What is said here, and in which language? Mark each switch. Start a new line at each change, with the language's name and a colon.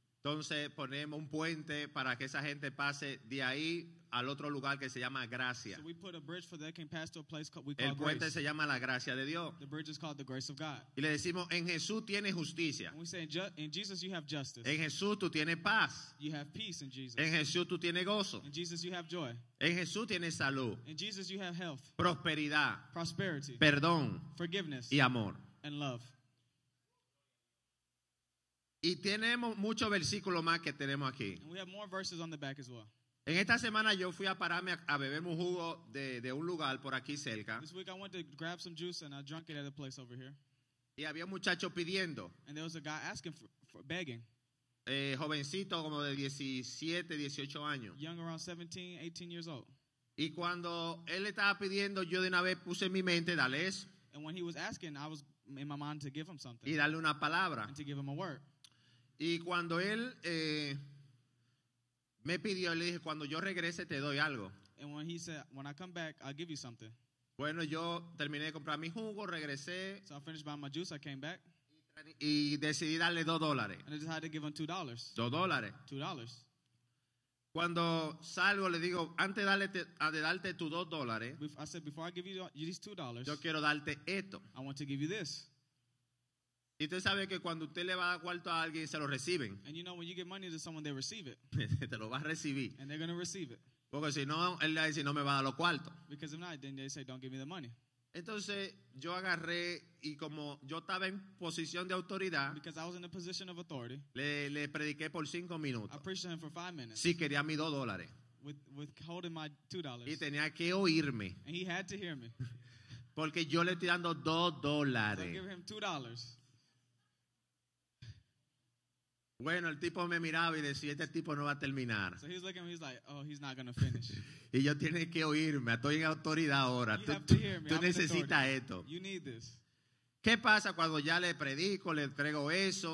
Spanish: Entonces ponemos un puente para que esa gente pase de ahí al otro lugar que se llama gracia.
English: So we put a bridge for that can pass to a place called, we call
Spanish: el puente
English: grace.
Spanish: Se llama la gracia de Dios.
English: The bridge is called the grace of God.
Spanish: Y le decimos, en Jesús tienes justicia.
English: And we say, in Jesus you have justice.
Spanish: En Jesús tú tienes paz.
English: You have peace in Jesus.
Spanish: En Jesús tú tienes gozo.
English: In Jesus you have joy.
Spanish: En Jesús tienes salud.
English: In Jesus you have health.
Spanish: Prosperidad.
English: Prosperity.
Spanish: Perdón.
English: Forgiveness.
Spanish: Y amor.
English: And love.
Spanish: Y tenemos muchos versículos más que tenemos aquí.
English: And we have more verses on the back as well.
Spanish: En esta semana yo fui a pararme a beber un jugo de un lugar por aquí cerca.
English: This week I went to grab some juice and I drank it at a place over here.
Spanish: Y había un muchacho pidiendo.
English: And there was a guy asking for begging.
Spanish: Jovencito como de 17, 18 años.
English: Young around 17, 18 years old.
Spanish: Y cuando él estaba pidiendo, yo de una vez puse en mi mente, dale eso.
English: And when he was asking, I was in my mind to give him something.
Spanish: Y darle una palabra.
English: And to give him a word.
Spanish: Y cuando él me pidió, le dije, cuando yo regrese te doy algo.
English: And when he said, when I come back, I'll give you something.
Spanish: Bueno, yo terminé de comprar mi jugo, regresé.
English: So I finished buying my juice, I came back.
Spanish: Y decidí darle $2.
English: And I decided to give him $2.
Spanish: $2.
English: $2.
Spanish: Cuando salgo, le digo, antes de darte tus $2.
English: I said, before I give you these $2.
Spanish: Yo quiero darte esto.
English: I want to give you this.
Spanish: Y usted sabe que cuando usted le va a dar cuarto a alguien, se lo reciben.
English: And you know, when you give money to someone, they receive it.
Spanish: Te lo va a recibir.
English: And they're going to receive it.
Spanish: Porque si no, él le dice, no me va a dar los cuartos.
English: Because if not, then they say, don't give me the money.
Spanish: Entonces, yo agarré, y como yo estaba en posición de autoridad,
English: because I was in a position of authority,
Spanish: le prediqué por 5 minutos.
English: I preached to him for 5 minutes.
Spanish: Si quería mis $2.
English: With holding my $2.
Spanish: Y tenía que oírme.
English: And he had to hear me.
Spanish: Porque yo le estoy dando $2.
English: So I give him $2.
Spanish: Bueno, el tipo me miraba y decía, este tipo no va a terminar.
English: So he's looking at me, he's like, oh, he's not going to finish.
Spanish: Y yo tiene que oírme, estoy en autoridad ahora.
English: You have to hear me.
Spanish: Tú necesitas esto.
English: You need this.
Spanish: ¿Qué pasa cuando ya le predico, le entrego eso?